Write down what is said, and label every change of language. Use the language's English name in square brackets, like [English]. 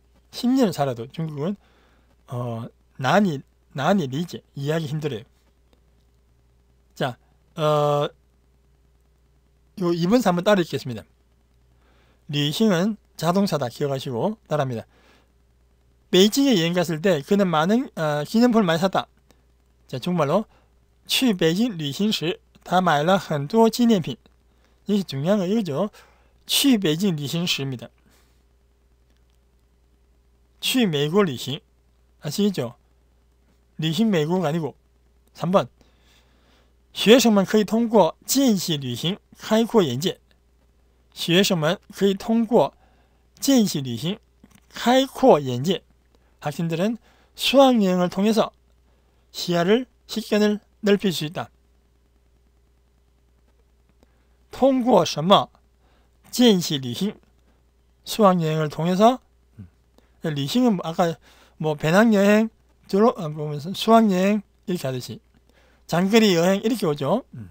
[Korean] 10년 살아도 중국은 난이 리제 이해하기 힘들어요. 자, 요 2번 3번 따라 읽겠습니다. 리싱은 자동차다 기억하시고 따라합니다. 베이징에 여행 갔을 때 그는 많은 기념품을 많이 샀다. 자, 정말로 [Chinese] 去北京旅行时，他买了很多纪念品。 [Korean] 이게중요한거이거죠。 [Chinese] 去北京旅行时 [Korean] 입니다。 [Chinese] 去美国旅行， [Korean] 아시겠죠？ [Chinese] 旅行美国 [Korean] 가아니고。 [Chinese] 3번，学生们可以通过间歇旅行开阔眼界。学生们可以通过间歇旅行开阔眼界。 [Korean] 학생들은수학여행을통해서시야를식견을넓힐 수 있다. [Chinese] 통과什么? 间歇旅行. [Korean] 수학여행을 통해서, 旅行은 아까 뭐 배낭여행, 보면서 수학여행 이렇게 하듯이 장거리 여행 이렇게 오죠.